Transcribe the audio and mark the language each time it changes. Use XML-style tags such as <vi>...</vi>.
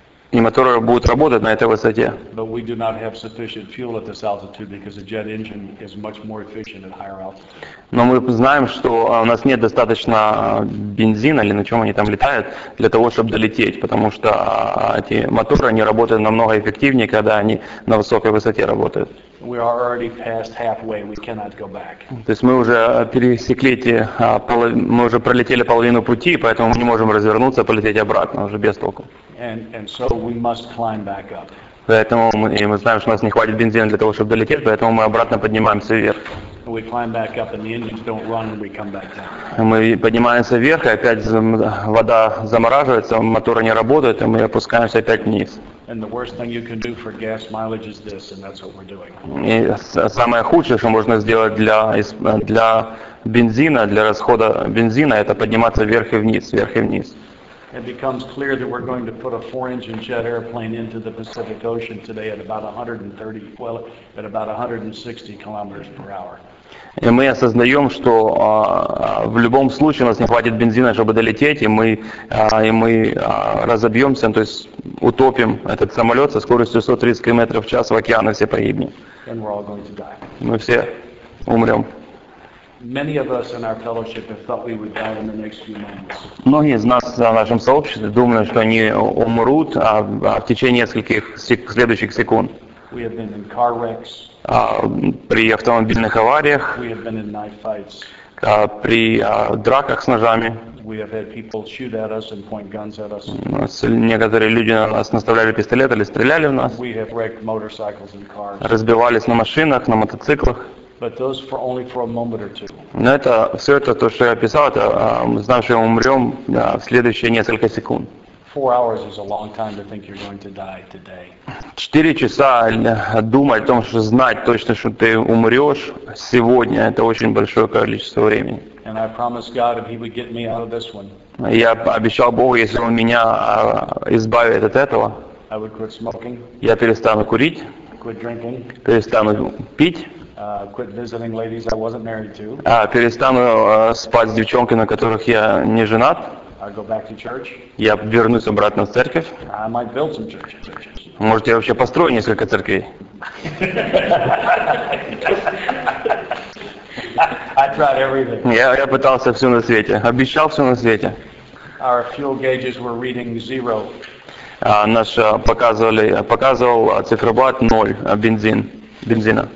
<ru>И моторы будут работать на этой высоте.</ru> <en>But we do not have sufficient fuel at this altitude because a jet engine is much more efficient at higher altitude.</en> <ru>Но мы знаем, что у нас нет достаточно бензина или на чем они там летают для того, чтобы долететь, потому что эти моторы они работают намного эффективнее, когда они на высокой высоте работают.</ru> <en>We are already past halfway. We cannot go back.</en> <ru>То есть мы уже пересекли эти, мы уже пролетели половину пути, поэтому мы не можем развернуться, полететь обратно уже без толку.</ru> <en>And so we must climb back up.</en> <ru>Поэтому мы знаем, что у нас не хватит бензина для того, чтобы долететь, поэтому мы обратно поднимаемся вверх.</ru> <en>We climb back up and the engines don't run when we come back down.</en> <ru>Мы поднимаемся вверх, и опять вода замораживается, моторы не работают, и мы опускаемся опять вниз.</ru> <en>And the worst thing you can do for gas mileage is this, and that's what we're doing.</en> <ru>И самое худшее, что можно сделать для бензина, для расхода бензина, это подниматься вверх и вниз, вверх и вниз.</ru> <en>It becomes clear that we're going to put a 4-engine jet airplane into the Pacific Ocean today at about 160 kilometers per hour.</en> <ru>И мы осознаем, что в любом случае у нас не хватит бензина, чтобы долететь, и мы разобьемся, то есть утопим этот самолет со скоростью 130 км в час в океан, и все погибнем.</ru> <en>And we're all going to die.</en> <ru>Мы все умрем.</ru> <en>Many of us in our fellowship have thought we would die in the next few months.</en> <ru>Многие из нас в нашем сообществе думали, что они умрут в течение нескольких следующих секунд.</ru> <en>We have been in car wrecks.</en> <ru>При автомобильных авариях.</ru> <en>We have been in knife fights.</en> <ru>При драках с ножами.</ru> <en>We have had people shoot at us and point guns at us.</en> <ru>Некоторые люди на нас наставляли пистолеты или стреляли в нас.</ru> <en>We have wrecked motorcycles and cars.</en> <ru>Разбивались на машинах, на мотоциклах.</ru> <en>But those for only for a moment or two.</en> <ru>Но это все это то, что я описал, это мы знаем, что мы умрем в следующие несколько секунд.</ru> <en>4 hours is a long time to think you're going to die today.</en> <ru>4 часа думать о том, что знать точно, что ты умрешь сегодня, это очень большое количество времени.</ru> <en>And I promised God if He would get me out of this one.</en> <ru>Я обещал Богу, если Он меня избавит от этого,</ru> <en>I would quit smoking,</en> <ru>я перестану курить,</ru> <en>quit drinking,</en> <ru>перестану пить,</ru> <en>quit visiting ladies I wasn't married to,</en> <ru>перестану спать с девчонками, на которых я не женат,</ru> <en>I'd go back to church,</en> <ru>я вернусь обратно в церковь.</ru> <en>I might build some churches.</en> <ru>Может, я вообще построю несколько церквей.</ru> <en>I tried everything.</en> <ru>Я пытался все на свете, обещал все на свете.</ru> <en>Our fuel gauges were reading zero.</en> <ru>Наш показывал циферблат ноль бензина.</ru>